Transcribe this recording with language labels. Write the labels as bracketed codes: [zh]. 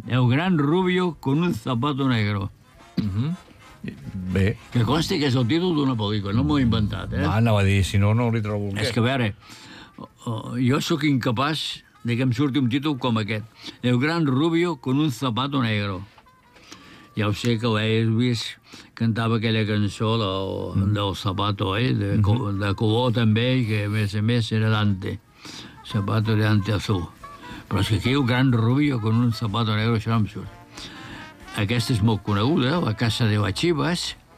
[es] El gran Rubio con un zapato negro. [ca] Bé. Que consti que és el títol d'una pel·lícula, no m'ho he inventat, eh? Va, anava a dir, si no li trobo un què. És que, a veure, jo sóc incapaç... de que em surti un títol com aquest. [es] El gran Rubio con un zapato negro. [ca] Ja ho sé que l'Elvis cantava aquella cançó del zapato, de color també, que a més era Dante. Zapato de Dante azul. Però és que aquí el gran Rubio con un zapato negro, això no em surt. Aquesta és molt coneguda, La casa de las chivas.